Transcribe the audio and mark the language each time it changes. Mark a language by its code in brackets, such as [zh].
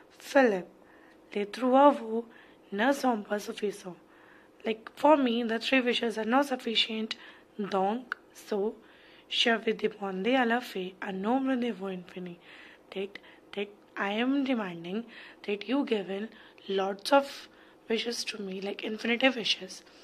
[fr] Philip, les trois vœux ne sont pas suffisants. [en] Like, for me, the three wishes are not sufficient. [fr] Donc, so, je vais demander à la fée un nombre de vœux infini. [en] That I am demanding that you given lots of wishes to me, like infinite wishes.